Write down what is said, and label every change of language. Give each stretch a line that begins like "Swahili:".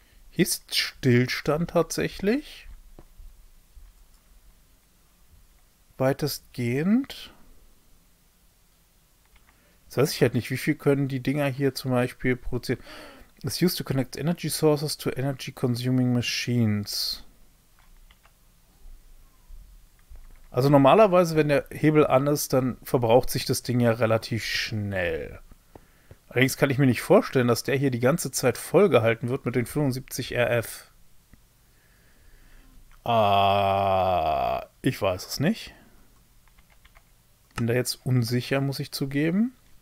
German: Hier ist Stillstand tatsächlich. Weitestgehend. Das weiß ich halt nicht, wie viel können die Dinger hier zum Beispiel produzieren.
English: It's used to connect energy sources to energy consuming machines.
German: Also normalerweise, wenn der Hebel an ist, dann verbraucht sich das Ding ja relativ schnell. Allerdings kann ich mir nicht vorstellen, dass der hier die ganze Zeit vollgehalten wird mit den 75 RF. Ich weiß es nicht. Bin da jetzt unsicher, muss ich zugeben.